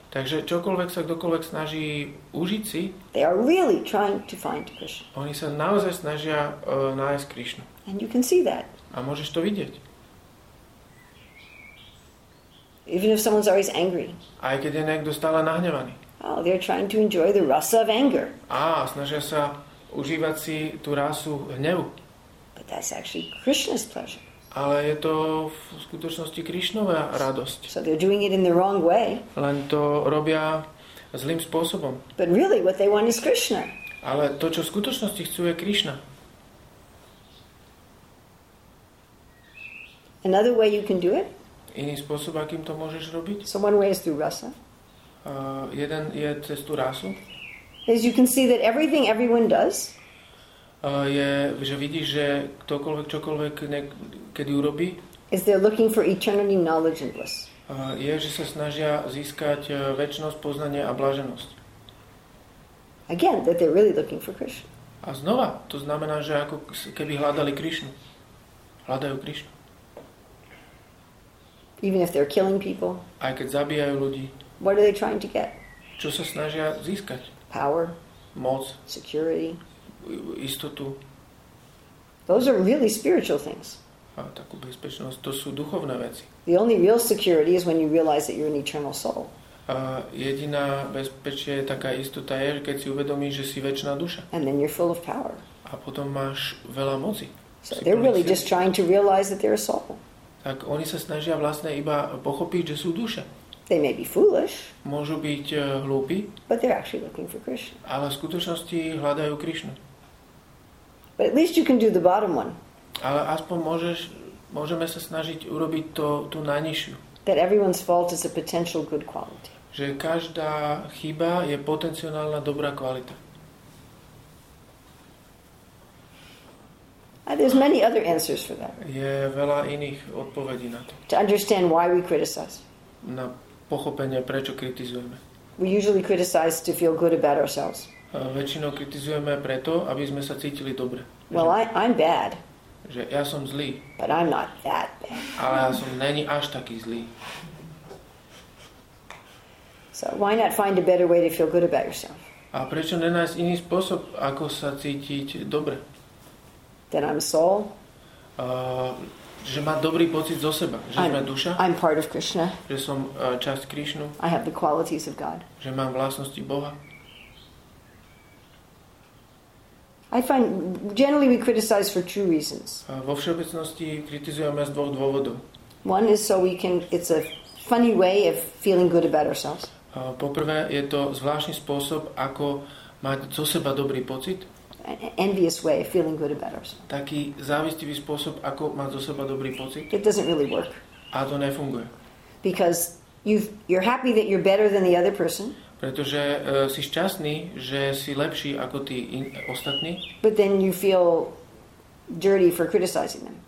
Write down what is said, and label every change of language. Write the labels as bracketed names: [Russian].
[Slovak] Takže čokoľvek sa kdokoľvek snaží užiť si. [English] They are really trying to find Krishna. [Slovak] Oni sa naozaj snažia nájsť Krishnu. [English] And you can see that. [Slovak] A môžeš to vidieť. [English] Even if someone's always angry. [Slovak] Aj keď je niekto stále nahnevaný. [English] Oh, they're trying to enjoy the rasa of anger. [Slovak] Snažia sa užívať si tú rasu hnevu. [English] But that's actually Krishna's pleasure. [Slovak] Ale je to v skutočnosti Krishnova radosť. [English] So they're doing it in the wrong way. [Slovak] Len to robia zlým spôsobom. [English] But really what they want is Krishna. [Slovak] Ale to, čo v skutočnosti chcú, je Krishna. [English] Another way you can do it? [Slovak] Iný spôsob, akým to môžeš robiť? [English] So one way is through rasa. [Slovak] Jeden je cez tú rasu. [English] As you can see that everything everyone does. [Slovak] Je, že vidíš, že ktokoľvek čokoľvek kedy urobí. [English] Is they're looking for eternity, knowledge and bliss. [Slovak] Je, že sa snažia získať večnosť, poznanie a blaženosť. [English] Again, that they're really looking for Krishna. [Slovak] A znova, to znamená, že ako keby hľadali Krishnu. Hľadajú Krishnu. [English] Even if they're killing people. [Slovak] Aj keď zabíjajú ľudí. [English] What are they trying to get? [Slovak] Čo sa snažia získať? [English] Power. [Slovak] Moc. [English] Security. [Slovak] Istotu. [English] Those are really spiritual things. [Slovak] A takú bezpečnosť, to sú duchovné veci. [English] The only real security is when you realize that you're an eternal soul. [Slovak] Jediná bezpečie, taká istota je, keď si uvedomíš, že si večná duša. [English] And then you're full of power. [Slovak] A potom máš veľa moci. [English] So they're really just trying to realize that they're a soul. [Slovak] Tak oni sa snažia vlastne iba pochopiť, že sú duša. [English] They may be foolish. [Slovak] Môžu byť hlúpi. [English] But they're actually looking for Krishna. [Slovak] Ale v skutočnosti hľadajú Krishnu. [English] But at least you can do the bottom one. [Slovak] Ale aspoň môžeme sa snažiť urobiť to tú najnižšiu. [English] That everyone's fault is a potential good quality. [Slovak] Že každá chyba je potenciálna dobrá kvalita. [English] There's many other answers for that. [Slovak] Je veľa iných odpovedí na to. [English] To understand why we criticize. [Slovak] Na pochopenie, prečo kritizujeme. [English] We usually criticize to feel good about ourselves. [Slovak] Väčšinou kritizujeme preto, aby sme sa cítili dobre. [English] Well, I'm bad. [Slovak] Že ja som zlý. [English] But I'm not that bad. [Slovak] Ale ja som není až taký zlý. [English] So why not find a better way to feel good about yourself? [Slovak] A prečo nenájsť iný spôsob, ako sa cítiť dobre? [English] That I'm a soul. [Slovak] Že mám dobrý pocit zo seba, že sme duša. [English] I'm part of Krishna. [Slovak] Že som časť Krishnu. [English] I have the qualities of God. [Slovak] Že mám vlastnosti Boha. [English] I find generally we criticize for two reasons. [Slovak] Vo všeobecnosti kritizujeme z dvoch dôvodov. [English] One is so we can, it's a funny way of feeling good about ourselves. [Slovak] Poprvé je to zvláštny spôsob, ako mať zo seba dobrý pocit. [English] Envious way of feeling good about ourselves. [Slovak] Taký závistivý spôsob, ako mať zo seba dobrý pocit. [English] It doesn't really work. [Slovak] A to nefunguje. [English] Because you're happy that you're better than the other person. [Slovak] Pretože si šťastný, že si lepší ako tí ostatní. [English] But then you feel dirty for criticizing them.